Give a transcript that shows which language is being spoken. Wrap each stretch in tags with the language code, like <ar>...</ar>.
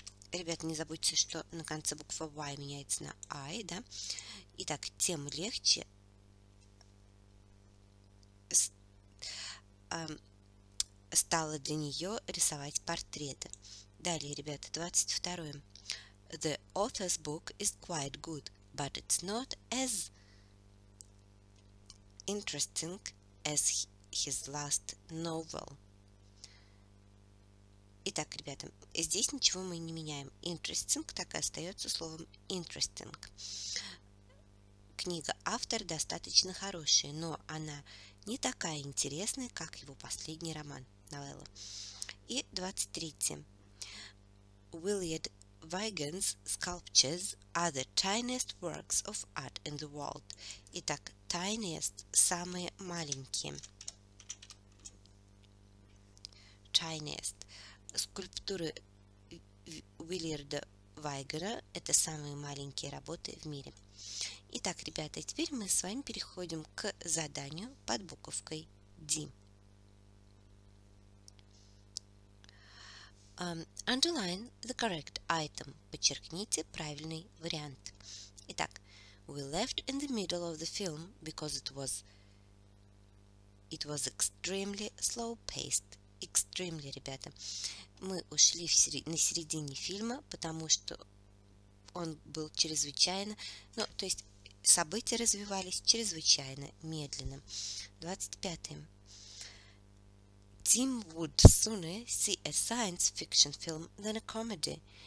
<ru>Ребята, не забудьте, что на конце буква Y меняется на I, да? Итак, тем легче стало для нее рисовать портреты. Далее, ребята, 22.</ru> <en>The author's book is quite good, but it's not as interesting as his last novel.</en> <ru>Итак, ребята, здесь ничего мы не меняем. Interesting так и остается словом interesting. Книга автора достаточно хорошая, но она не такая интересная, как его последний роман, новелла. И 23.</ru> <en>Willard Wigan's sculptures are the tiniest works of art in the world.</en> <ru>Итак, tiniest – самые маленькие.</ru> <en>Tiniest.</en> <ru>Скульптуры Уильярда Вайгера – это самые маленькие работы в мире. Итак, ребята, теперь мы с вами переходим к заданию под буковкой D.</ru> <en>Underline the correct item.</en> <ru>Подчеркните правильный вариант.</ru> <en>Итак, we left in the middle of the film because it was extremely slow-paced. Extremely, ребята.</en> <ru>Мы ушли на середине фильма, потому что он был чрезвычайно... Ну, то есть события развивались чрезвычайно медленно. 25.</ru> <en>Tim would sooner see a science fiction film than a comedy.</en>